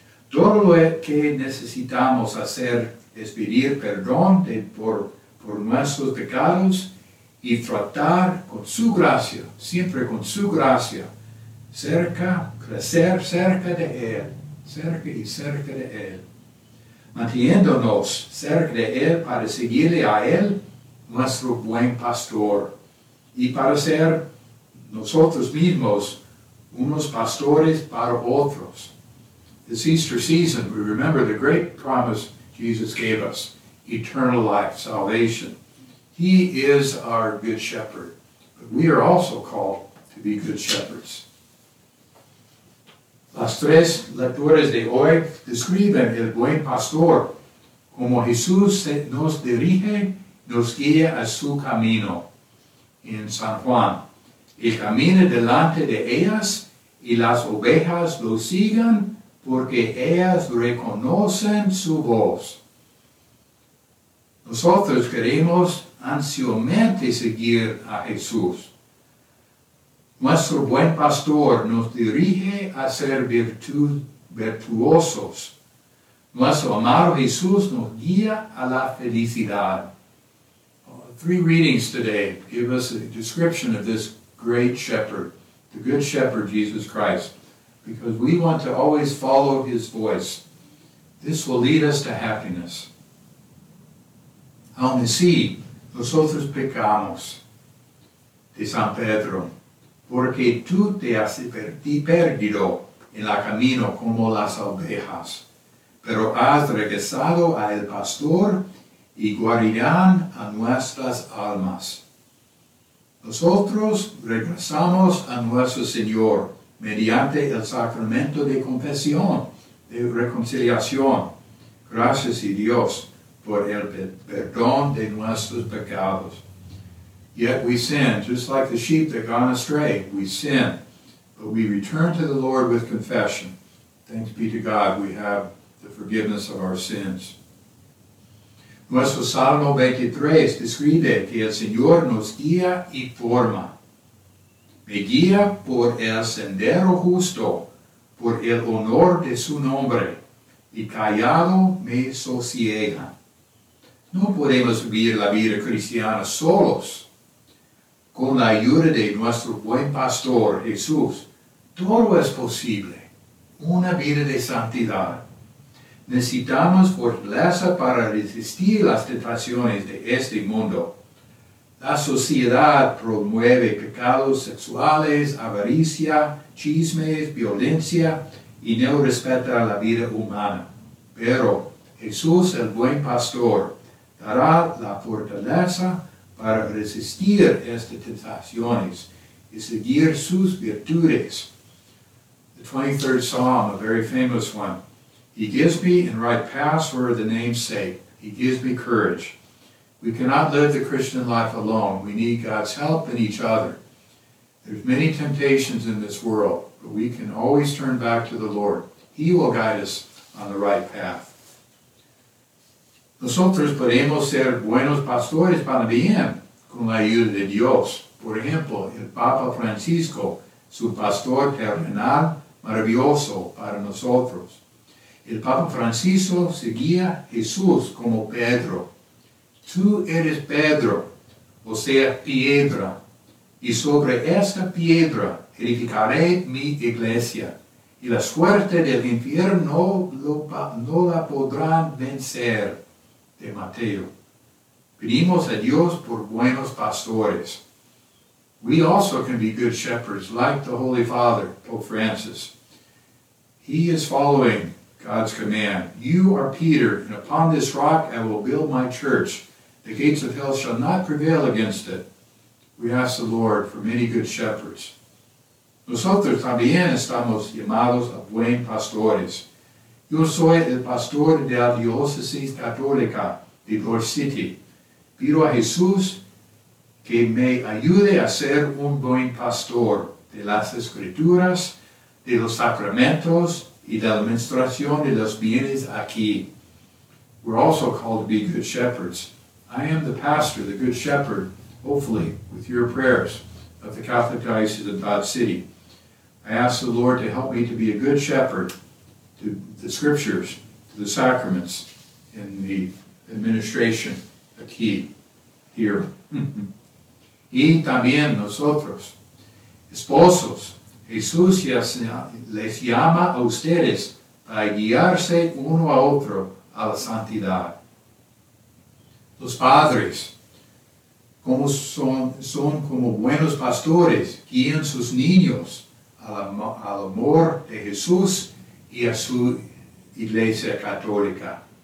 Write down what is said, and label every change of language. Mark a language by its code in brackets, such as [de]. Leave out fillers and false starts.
[es] Todo lo que necesitamos hacer es pedir perdón por nuestros pecados y tratar con su gracia, siempre con su gracia, crecer cerca de Él. Manteniéndonos cerca de Él para seguirle a Él, nuestro buen pastor, y para ser nosotros mismos unos pastores para otros. [en] This Easter season, we remember the great promise Jesus gave us, eternal life, salvation. He is our good shepherd, but we are also called to be good shepherds. [es] Las tres lecturas de hoy describen el buen pastor, como Jesús nos dirige, nos guía a su camino. En San Juan, él camina delante de ellas y las ovejas lo siguen porque ellas reconocen su voz. Nosotros queremos ansiosamente seguir a Jesús. Nuestro buen pastor nos dirige a ser virtuosos. Nuestro amado Jesús nos guía a la felicidad. [en] Three readings today give us a description of this great shepherd, the good shepherd Jesus Christ, because we want to always follow his voice. This will lead us to happiness. [es] Aun así, nosotros pecamos, de San Pedro, porque tú te has perdido en el camino como las ovejas, pero has regresado a el pastor y guardián a nuestras almas. Nosotros regresamos a nuestro Señor mediante el sacramento de confesión, de reconciliación. Gracias a Dios por el perdón de nuestros pecados. [en] Yet we sin, just like the sheep that gone astray, we sin. But we return to the Lord with confession. Thanks be to God, we have the forgiveness of our sins. [es] Nuestro Salmo 23 describe que el Señor nos guía y forma. Me guía por el sendero justo, por el honor de su nombre, y callado me sosiega. No podemos vivir la vida cristiana solos. Con la ayuda de nuestro buen pastor, Jesús, todo es posible. Una vida de santidad. Necesitamos fortaleza para resistir las tentaciones de este mundo. La sociedad promueve pecados sexuales, avaricia, chismes, violencia y no respeta la vida humana. Pero Jesús, el buen pastor, dará la fortaleza para resistir estas tentaciones y seguir sus virtudes. [en] The 23rd Psalm, a very famous one. He gives me in right paths for the name's sake. He gives me courage. We cannot live the Christian life alone. We need God's help in each other. There's many temptations in this world, but we can always turn back to the Lord. He will guide us on the right path. [es] Nosotros podemos ser buenos pastores para bien con la ayuda de Dios. Por ejemplo, el Papa Francisco, su pastor terrenal maravilloso para nosotros. El Papa Francisco seguía Jesús como Pedro. Tú eres Pedro, o sea, piedra, y sobre esa piedra edificaré mi iglesia, y la suerte del infierno no la podrán vencer. De Mateo. Pedimos a Dios por buenos pastores. [en] We also can be good shepherds like the Holy Father, Pope Francis. He is following God's command. You are Peter, and upon this rock I will build my church. The gates of hell shall not prevail against it. We ask the Lord for many good shepherds. [es] Nosotros también estamos llamados a buenos pastores. Yo soy el pastor de la diócesis católica de Dodge City. Pido a Jesús que me ayude a ser un buen pastor de las Escrituras, de los sacramentos y de la administración de los bienes aquí. [en] We're also called to be good shepherds. I am the pastor, the good shepherd, hopefully, with your prayers, of the Catholic Diocese of Dodge City. I ask the Lord to help me to be a good shepherd to the scriptures, to the sacraments, and the administration [es] aquí, [en] here. [es] Y también nosotros, esposos, Jesús ya les llama a ustedes para guiarse uno a otro a la santidad. Los padres, como son como buenos pastores, guían sus niños al amor de Jesús y a su iglesia católica.